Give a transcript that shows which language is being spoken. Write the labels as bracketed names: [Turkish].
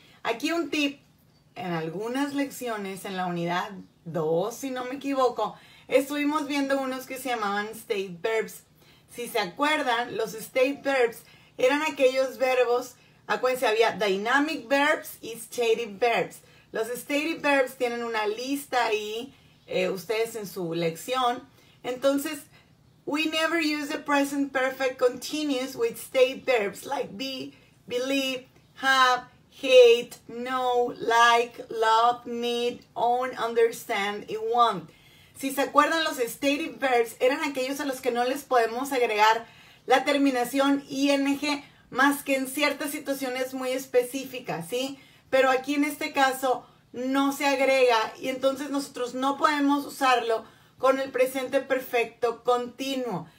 [Spanish] Aquí un tip, en algunas lecciones, en la unidad 2, si no me equivoco, estuvimos viendo unos que se llamaban state verbs. Si se acuerdan, los state verbs eran aquellos verbos, acuérdense, había dynamic verbs y stative verbs. Los stative verbs tienen una lista ahí, ustedes en su lección. [English] Entonces, we never use the present perfect continuous with state verbs like be, believe, have, hate, know, like, love, need, own, understand, and want. [Spanish] Si se acuerdan, los stative verbs eran aquellos a los que no les podemos agregar la terminación ing más que en ciertas situaciones muy específicas, ¿sí? Pero aquí en este caso no se agrega y entonces nosotros no podemos usarlo con el presente perfecto continuo.